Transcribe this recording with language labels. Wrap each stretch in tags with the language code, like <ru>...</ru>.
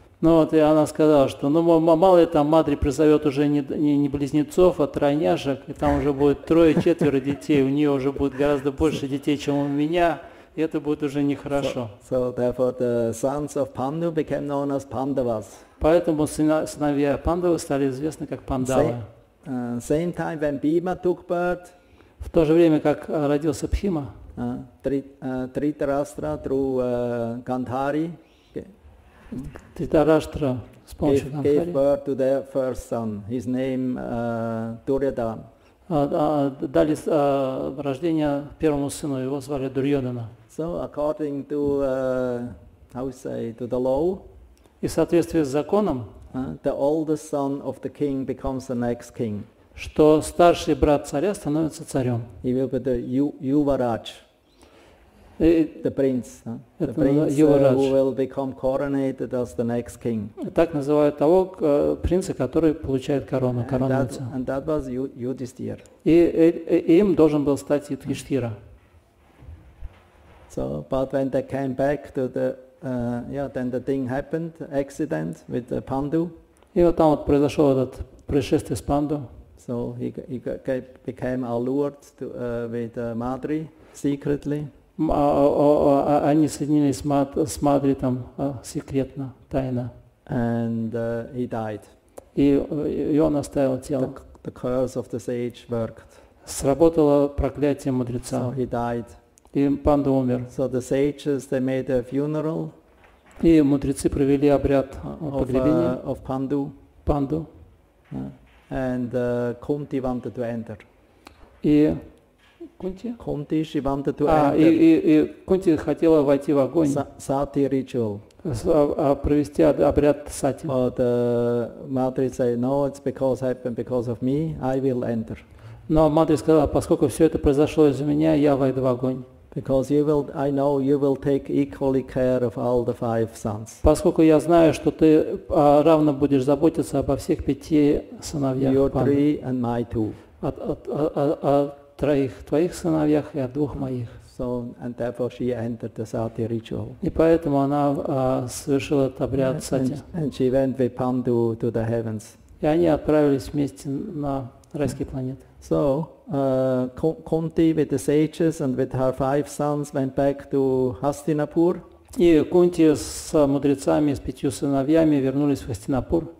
<ru>Ну вот, и она сказала, что мало ли там Мадри призовет уже не близнецов, а тройняшек, и там уже будет трое-четверо детей, у нее уже будет гораздо больше детей, чем у меня, и это будет уже нехорошо.</ru> <en>So therefore the sons of Pandu became known as Pandavas.</en> <ru>Поэтому сыновья Пандавы стали известны как Пандавы.</ru> <en>Same time when Bhima took birth.</en> <ru>В то же время, как родился Бхима.</ru> <en>Тритарастра through Гандхари.</en> <ru>Тритараштра с помощью Гандхари</ru> <en>gave birth to their first son. His name Дурьодан.</en> <ru>Дали рождение первому сыну, его звали Дурьодана.</ru> <en>So according to to the law.</en> <ru>И в соответствии с законом.</ru> <en>The oldest son of the king becomes the next king.</en> <ru>Что старший брат царя становится царем.</ru> <en>He will be the Yuvaraj. The prince, who will become coronated as the next king.</en> <ru>Так называют того принца, который получает корону, коронуется.</ru> <en>And that was Yudhishthir.</en> <ru>И им должен был стать Юдхиштхира.</ru> <en>So, but when they came back to the, then the thing happened, accident with the Panda.</en> <ru>И вот там вот произошло этот происшествие с Панду.</ru> <en>So he became allured with Madri secretly.</en> <ru>Они соединились с Мадри там секретно, тайно.</ru> <en>And he died.</en> <ru>И он оставил тело.</ru> <en>The curse of the sage worked.</en> <ru>Сработало проклятие мудреца.</ru> <en>So he died.</en> <ru>И Панда умер.</ru> <en>So the sages, they made a funeral.</en> <ru>И мудрецы провели обряд погребения</ru> <en>of Panda.</en> <ru>Панду.</ru> <en>And Kunti wanted to enter.</en> <ru>И Кунти?</ru> <en>Кунти, she wanted to enter.</en> <ru>И Кунти хотела войти в огонь. Сати ритуал. Провести обряд сати.</ru> <en>But Матри said, no, it's because happened because of me. I will enter.</en> <ru>Но Матри сказала, поскольку все это произошло из-за меня, я войду в огонь.</ru> <en>Because you will, I know you will take equally care of all the five sons.</en> <ru>Поскольку я знаю, что ты равно будешь заботиться обо всех пяти сыновьях.</ru> <en>Your three and my two.</en> <ru>О троих твоих сыновьях и о двух моих.</ru> <en>So and therefore she entered the sati ritual.</en> <ru>И поэтому она совершила этот обряд сати.</ru> <en>And she went with Pandu to the heavens.</en> <ru>И они отправились вместе на райские планеты.</ru> <en>So Kunti with the sages and with her five sons went back to Hastinapur.</en> <ru>И Кунти с мудрецами с пятью сыновьями вернулись в Хастинапур.</ru>